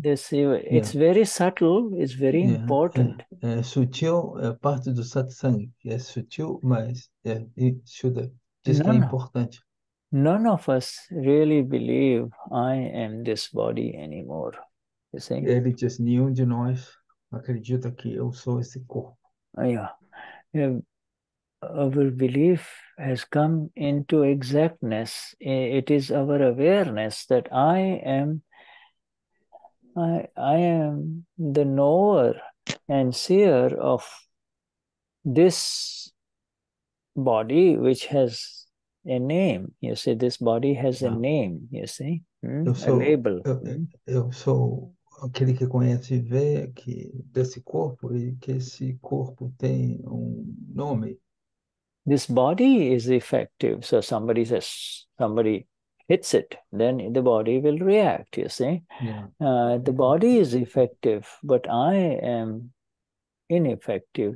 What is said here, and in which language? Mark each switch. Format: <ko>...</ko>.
<en>Yeah. It's very subtle, it's very important.</en> <pt>É sutil, é parte do satsang. É sutil, mas diz que é importante.</pt> <en>None of us really believe I am this body anymore. You see?</en> <pt>Ele diz, nenhum de nós acredita que eu sou esse corpo.</pt> <en>Yeah. our belief has come into exactness. It is our awareness that I am the knower and seer of this body, which has a name. You see, this body has a name, you see, a label.</en> <pt>Eu sou aquele que conhece e vê que desse corpo e que esse corpo tem nome.</pt> <en>This body is effective. So somebody says, somebody hits it, then the body will react, you see. The body is effective, but I am ineffective.</en>